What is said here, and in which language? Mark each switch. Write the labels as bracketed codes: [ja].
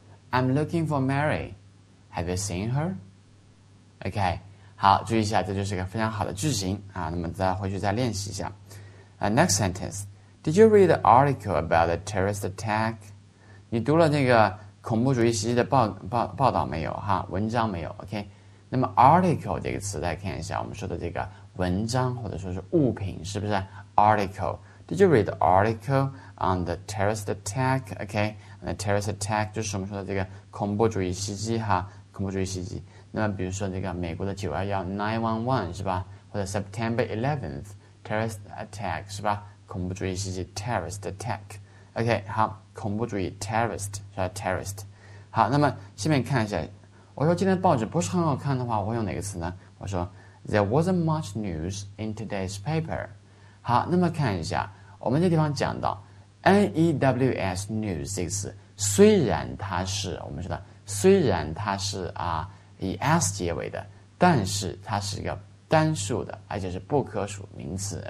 [en] I'm looking for Mary, have you seen her? [zh] OK, 好，注意一下，这就是一个非常好的句型啊。那么再回去再练习一下。 [en] Next sentence, did you read the article about the terrorist attack? [zh] 你读了那个恐怖主义袭击的报道没有哈？文章没有 ？OK, 那么 article 这个词再看一下，我们说的这个文章或者说是物品，是不是 article? [en] Did you read the article on the terrorist attack? Okay, and the terrorist attack [zh] 就是我们说的这个恐怖主义袭击哈，恐怖主义袭击。那么比如说这个美国的911是吧，或者 [en] September 11th terrorist attack [zh] 是吧，恐怖主义袭击 terrorist attack. Okay, 好，恐怖主义 terrorist 是吧 terrorist. 好，那么下面看一下，我说今天报纸不是很好看的话，我用哪个词呢？我说 [en] There wasn't much news in today's paper. [zh] 好，那么看一下，我们这地方讲到 news news 这个词，虽然它是我们说的，虽然它是啊以 s 结尾的，但是它是一个单数的，而且是不可数名词。